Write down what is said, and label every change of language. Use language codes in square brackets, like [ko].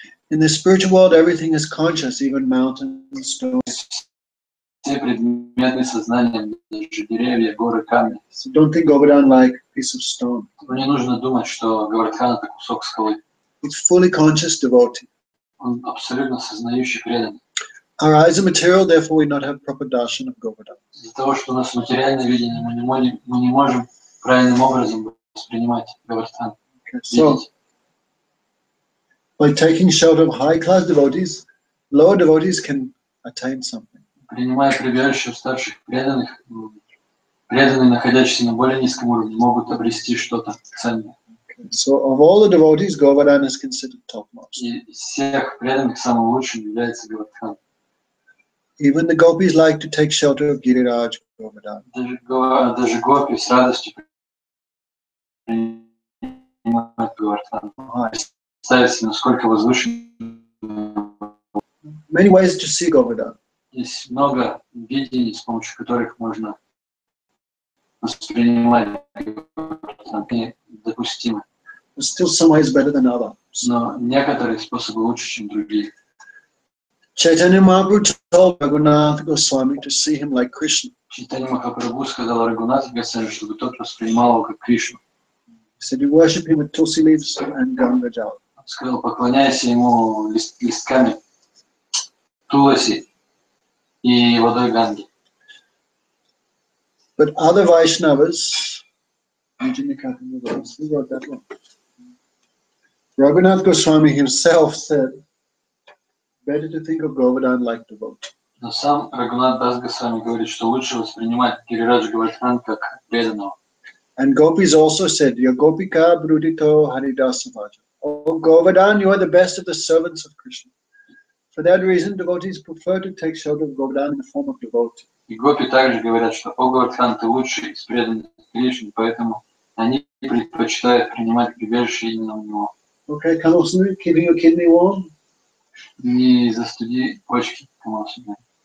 [en] In the spiritual world, everything is conscious, even mountains, stones. [ru] Все предметы сознания, даже деревья, горы, камни. [en] So don't think Goverdan like a piece of stone. [ru] Мне нужно думать, что Говардхан это кусок скалы. [en] It's fully conscious devotee. [ru] Он абсолютно сознающий преданный. [en] Our eyes are material, therefore we not have proper darshan of Govardhan. [ru] Из-за того, что у нас материальное видение, мы не можем правильным образом воспринимать Говардхан. [en] By taking shelter of high class devotees, lower devotees can attain something. [ru] Принимая прибежище у старших преданных, преданные, находящиеся на более низком уровне, могут обрести что-то ценное. [en] So of all the devotees, Govardhan is considered topmost. [ru] Из всех преданных самым лучшим является Говардхан. [en] Even the gopis like to take shelter of Giriraj Govardhan. [ru] Даже гопи с радостью принимают Говардхан. Представьте, насколько возвышен. [en] Many ways to see Govardhan. [ru] Есть много видений, с помощью которых можно воспринимать Говардхан. Они допустимы. [en] Still some ways better than others. [ru] Но некоторые способы лучше, чем другие. [en] Chaitanya Mahaprabhu told Raghunath Goswami to see him like Krishna. [ru] Chaitanya Mahaprabhu сказал Рагунатху Госвами, чтобы тот воспринимал его как Кришну. [en] He said, you worship him with tulsi leaves and Ganga Jal. [ru] Сказал, поклоняйся ему листками туласи и водой Ганги. [en] But other Vaishnavas, Vijayanikatha Nivas, who wrote that one? Raghunath Goswami himself said, better to think of Govardhan like devotee. [ru] Но сам Рагунатх Дас Госвами говорит, что лучше воспринимать Гирирадж Говардхан как преданного. [en] And gopis also said, [sa] Ya gopika brudito haridasa vaja. [en] O Govardhan, you are the best of the servants of Krishna. For that reason, devotees prefer to take shelter of Govardhan in the form of devotee. [ru] И гопи также говорят, что о Говардхан, ты лучший из преданных Кришны, поэтому они предпочитают принимать прибежище именно у него. [en] Okay, Kamalasundari, keeping your kidney warm. [ru] Не застуди почки, Камаласундари.